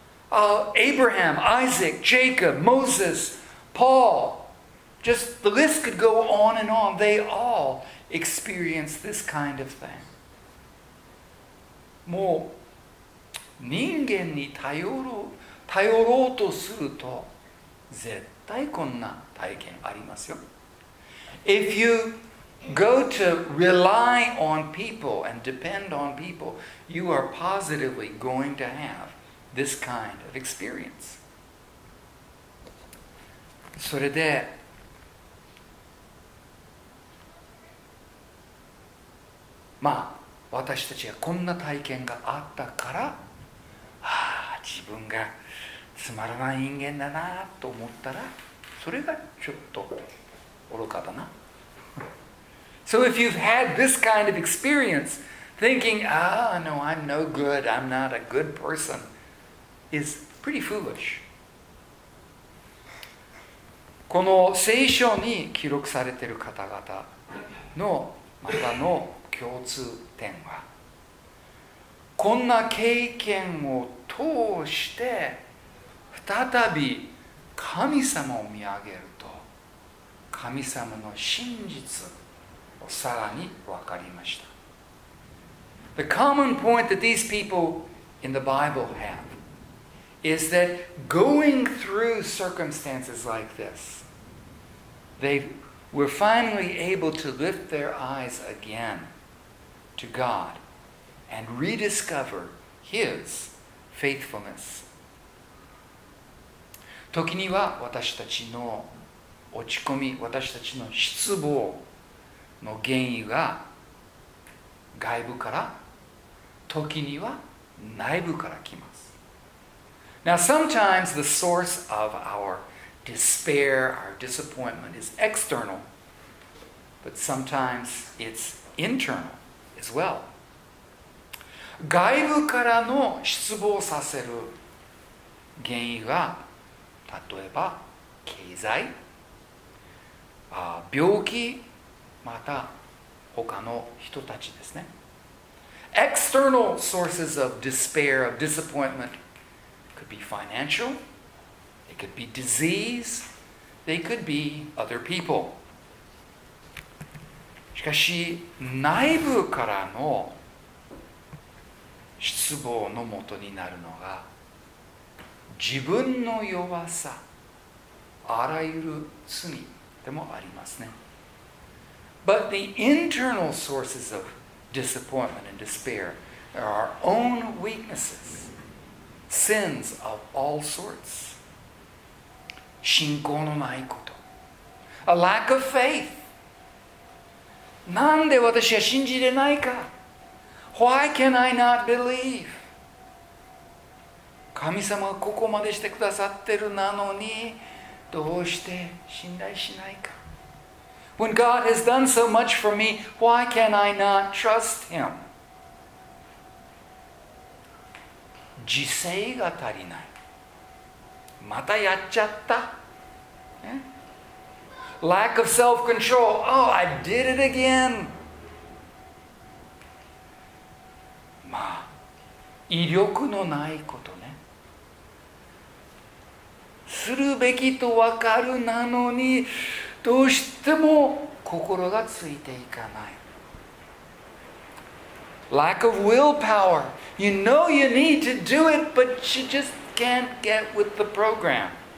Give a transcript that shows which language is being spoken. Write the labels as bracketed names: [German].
[English] アブラハム、アイザク、ジェイコブ、モーセス、パウロ、just the list could go on and on. They all experienced this kind of thing. [Japanese] もう人間に頼ろうとすると絶対こんな体験ありますよ。 [English] If you go to rely on people and depend on people, you are positively going to have this kind of experience. [Japanese] それで私たちはこんな体験があったから自分がつまらない人間だなと思ったら、それがちょっと愚かだな。 [English] So if you've had this kind of experience, thinking, ah, no, I'm no good, I'm not a good person, is pretty foolish. [Japanese] この聖書に記録されている方々のまたの共通点は、こんな経験を通して再び神様を見上げると神様の真実をさらに分かりました。 [English] The common point that these people in the Bible have is that going through circumstances like this, they were finally able to lift their eyes again to God and rediscover His faithfulness. [Japanese] 時には私たちの落ち込み、私たちの失望の原因が外部から、時には内部から来ます。 [English] Now, sometimes the source of our despair, our disappointment is external, but sometimes it's internal as well. [Japanese] 外部からの失望させる原因が、例えば経済、病気、また他の人たちですね。 [English] External sources of despair, of disappointment could be financial, it could be disease, they could be other people. [Japanese] しかし内部からの失望のもとになるのが自分の弱さ、あらゆる罪でもありますね。 [English] But the internal sources of disappointment and despair are our own weaknesses, sins of all sorts. [Japanese] 信仰のないこと。 [English] A lack of faith. [Japanese] なんで私は信じれないか? [English] Why can I not believe? [Japanese] 神様はここまでしてくださってるなのにどうして信頼しないか。 [English] When God has done so much for me, why can I not trust Him? [Japanese] 自制が足りない。またやっちゃった。 [English] Lack of self-control. Oh, I did it again. [Japanese] まあ、威力のないことね。するべきと分かるなのにどうしても心がついていかない。 [English] Lack of willpower. You know you need to do it, but you just can't get with the program.